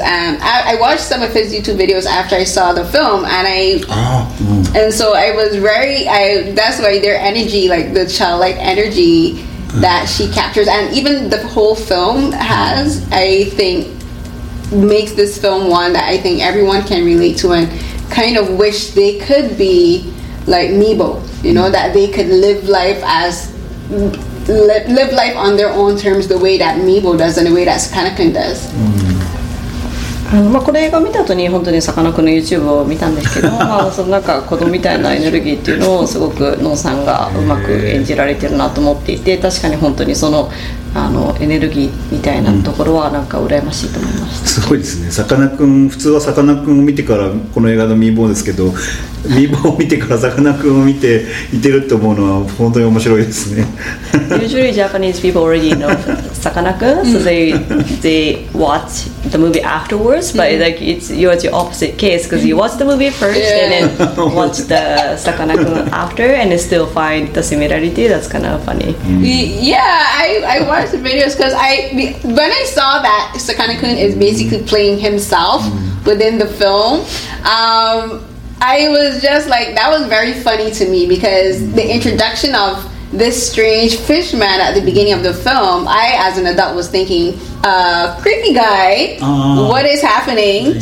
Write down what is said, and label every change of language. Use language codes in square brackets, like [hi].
[en] I watched some of his YouTube videos after I saw the film, and I that's why their energy, like the childlike energy that she captures, and even the whole film has, I think, makes this film one that I think everyone can relate to and kind of wish they could be like Mibo, you know, that they could live life as live life on their own terms the way that Mibo does and the way that Sakana-kun does. [ja] この映画を見た後に本当にさかなクンの YouTube を見たんですけど、まあ、そのなんか子供みたいなエネルギーっていうのをすごくノンさんがうまく演じられてるなと思っていて、確かに本当にその、あのエネルギーみたいなところはなんか羨ましいと思いました。すごいですね、さかなクン。普通はさかなクンを見てからこの映画のミーボーですけど、ミーボーを見てからさかなクンを見ていてるって思うのは本当に面白いですね。 [en] Usually Japanese people already know Sakana-kun, so they watch the movie afterwards, but like it's yours the opposite case, because you watch the movie first and then watch the Sakana-kun after and still find the similarity. That's kind of funny. I watched the videos because when I saw that Sakana-kun is basically playing himself within the film, I was just like, that was very funny to me, because the introduction of this strange fish man at the beginning of the film, I as an adult was thinking, creepy guy, what is happening?